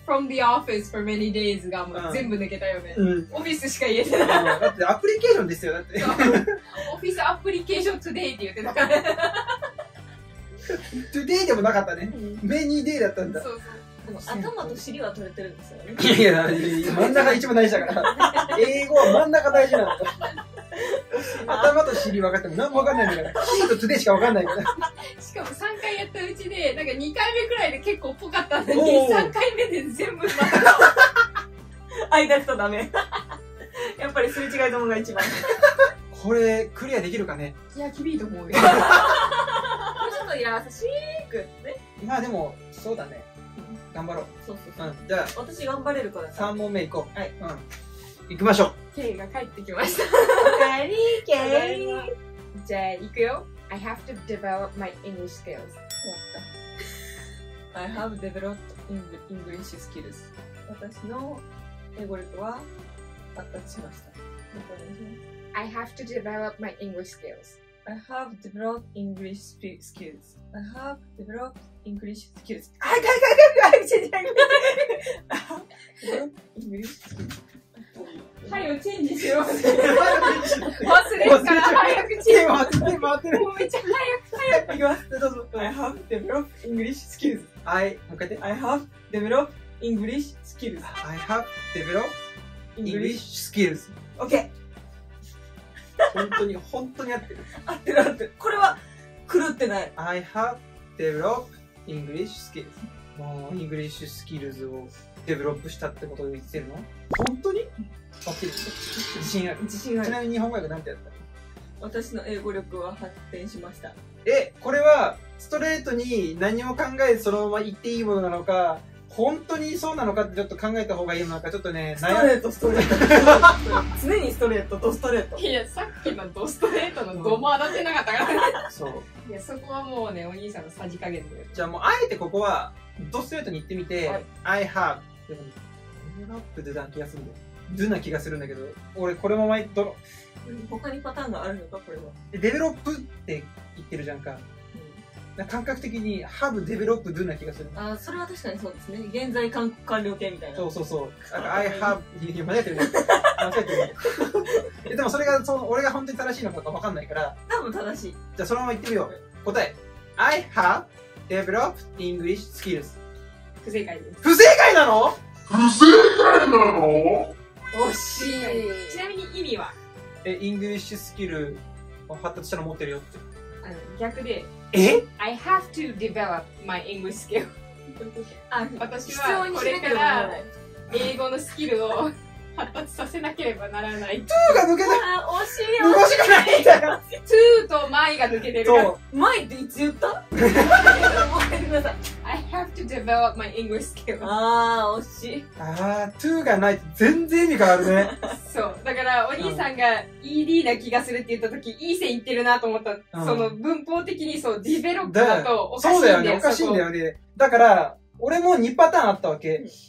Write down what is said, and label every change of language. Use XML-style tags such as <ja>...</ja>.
<en>from the office for many days</en> <ja>がもう全部抜けたよね。うん、オフィスしか言えてない。だってアプリケーションですよ、だって。オフィスアプリケーション today って言ってたから。 today でもなかったね。</ja> <en>many day</en> <ja>だったんだ。そうそう。でも頭と尻は取れてるんですよね。いや、真ん中一番大事だから。英語は真ん中大事なの。頭と尻分かっても何も分かんないんだから、シートトゥデイしか分かんないんだ。しかも3回やったうちで、なんか2回目くらいで結構ぽかったんだけど、3回目で全部うまく間行ったらダメ。やっぱりすれ違いどもが一番。これクリアできるかね。いや厳しいと思うよ。もうちょっと優しくね。まあでもそうだね、頑張ろう。そうそうそう、うん、じゃあ私頑張れるから 3問目行こう。はい、うん、行きましょう。 Kay が帰ってきました。おかえり、 Kay。じゃあ、行くよ。</ja> <en>I have to develop my English skills. I have developed English skills.</en> <ja>私の英語力は発達しました。</ja> <en>I have to develop my English skills. I have developed English skills. I have developed English skills.</en> <ja>あ、帰って帰って帰って帰って帰って帰って。はい、をチェンジしよう。忘れるから早くチェンジ。待って待って待って。めっちゃ早く早く。どうぞ。</ja> <en>I have developed English skills.</en> <ja>I もう一回。</ja> <en>I have developed English skills. I have developed English skills. OK。</en> <ja>本当に本当に合ってる。合ってる合ってる。これは狂ってない。</ja> <en>I have developed English skills.</en> <ja>もう English skills をデベロップしたってことを言ってるの？本当に？自信ある。自信ある。ちなみに日本語訳なんてやった？私の英語力は発展しました。え、これはストレートに何を考えてそのまま言っていいものなのか、本当にそうなのかってちょっと考えた方がいいのか、ちょっとね、ストレートストレート。常にストレートとストレート。いや、さっきのドストレートのゴマは出せなかったからね。そう。いや、そこはもうね、お兄さんのさじ加減で。じゃあもう、あえてここは、ドストレートに行ってみて、はい、</ja> <en>I have。</en> <ja>でも、ドラップでだ気がするんだよ。ドゥな気がするんだけど、俺これも前ドロ。他にパターンがあるのかこれは。デベロップって言ってるじゃんか。うん、か感覚的にハブデベロップドゥな気がする。あ、それは確かにそうですね。現在完了形みたいな。そうそうそう。</ja> <en>I have</en> <ja>間違ってるね。間違ってる。でもそれがその俺が本当に正しいのかわかんないから。多分正しい。じゃあそのまま言ってみよう。答え。</ja> <en>I have developed English skills。</en> <ja>不正解です。不正解なの？不正解なの？惜しい。ちなみに意味は？え、イングリッシュスキル発達したの持ってるよって。あの逆で。え</ja> <en>？I have to develop my English skill。</en> <ja>あ、私はこれから英語のスキルを発達させなければならない。トゥーが抜けた。あ、惜しい。惜しくないんだよ。トゥーとマイが抜けてるから。マイっていつ言った？ごめんなさい。</ja> <en>I have to develop my English skills.</en> <ja>あー、惜しい。あー、to がないと全然意味変わるね。そう、だからお兄さんが ED な気がするって言った時、いい線いってるなと思った、うん、その文法的にそう、develop だとおかしいんだよ。そうだよね、おかしいんだよね。だから、俺も2パターンあったわけ。</ja>